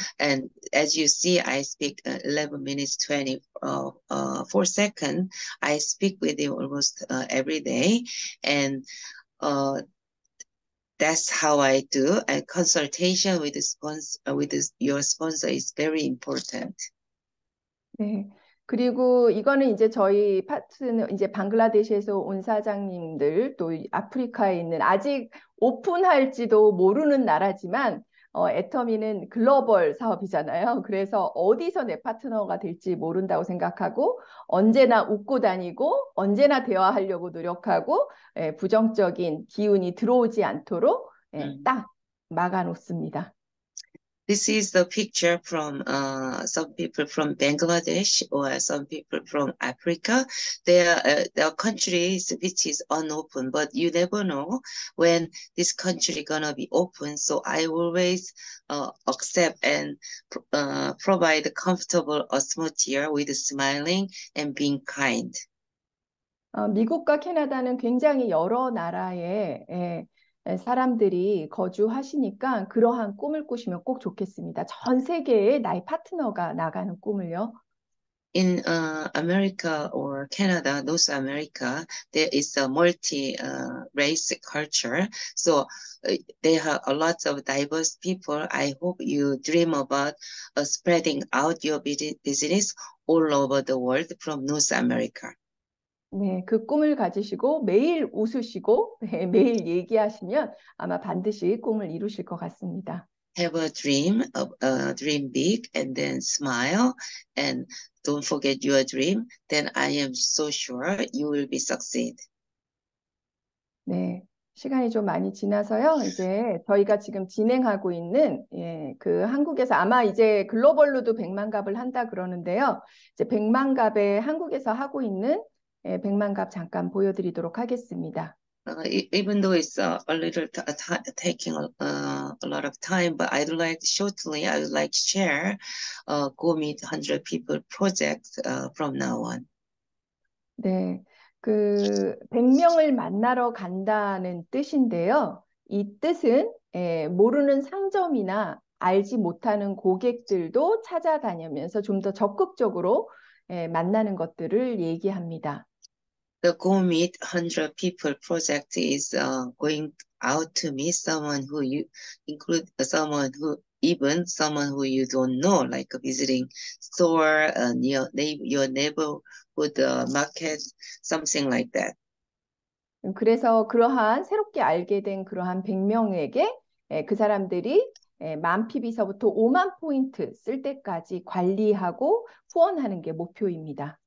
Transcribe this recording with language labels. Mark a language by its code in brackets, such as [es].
[en] And as you see, I speak 11 minutes 20 4 seconds. I speak with him almost every day, and that's how I do. A consultation with the sponsor, your sponsor is very important. [ko] 네. 그리고 이거는 이제 저희 파트는 이제 방글라데시에서 온 사장님들 또 아프리카에 있는 아직 오픈할지도 모르는 나라지만 애터미는 글로벌 사업이잖아요. 그래서 어디서 내 파트너가 될지 모른다고 생각하고 언제나 웃고 다니고 언제나 대화하려고 노력하고 부정적인 기운이 들어오지 않도록 딱 막아놓습니다. [en] This is the picture from some people from Bangladesh or some people from Africa. Their countries which is unopened, but you never know when this country gonna be open. So I always accept and provide a comfortable atmosphere with smiling and being kind. [ko] 미국과 캐나다는 굉장히 여러 나라에 사람들이 거주하시니까 그러한 꿈을 꾸시면 꼭 좋겠습니다. 전 세계에 나의 파트너가 나가는 꿈을요. [en] In America or Canada, North America, there is a multi race culture. So they have a lot of diverse people. I hope you dream about spreading out your business all over the world from North America. [ko] 네, 그 꿈을 가지시고 매일 웃으시고 매일 얘기하시면 아마 반드시 꿈을 이루실 것 같습니다. [en] Have a dream of dream big and then smile and don't forget your dream. Then I am so sure you will be succeed. [ko] 네, 시간이 좀 많이 지나서요. 이제 저희가 지금 진행하고 있는 그 한국에서 아마 이제 글로벌로도 백만갑을 한다 그러는데요. 이제 백만갑에 한국에서 하고 있는 예, 백만갑 잠깐 보여드리도록 하겠습니다. [en] Even though it's a little taking a lot of time, but shortly, I would like to share Go Meet 100 People project from now on. [ko] 네, 그 100명을 만나러 간다는 뜻인데요. 이 뜻은 모르는 상점이나 알지 못하는 고객들도 찾아다니면서 좀더 적극적으로 만나는 것들을 얘기합니다. [en] The Go Meet 100 People project is going out to meet someone who you include someone who even someone who you don't know, like a visiting store, your neighborhood market, something like that. [ko] 그래서 그러한 새롭게 알게 된 그러한 100명에게 그 사람들이 만 PB서부터 5만 포인트 쓸 때까지 관리하고 후원하는 게 목표입니다.